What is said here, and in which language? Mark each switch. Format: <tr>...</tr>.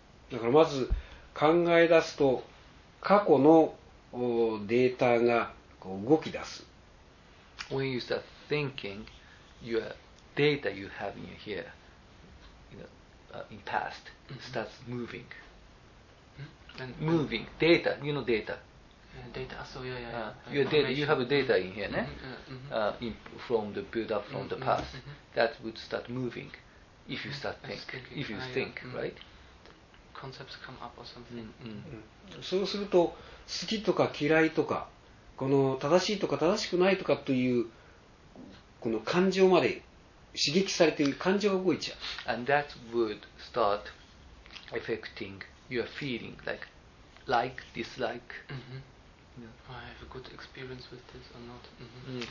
<ja>だからまず考え出すと過去のデータが動き出す。</ja> <en>When you start thinking, your data you have in your here, you know, in past, starts moving. Moving data, you know data. Data. So, your data, you have a data in here, ne? In, from the build-up from the past. That would start moving if you start thinking. If you think, right? Concepts come up or something.</en> <ja>そうすると、好きとか嫌いとか、この正しいとか正しくないとかというこの感情まで刺激されている感情が動いちゃう。</ja> <en>And that would start affecting your feeling, like, dislike. I have a good experience with this or not.</en>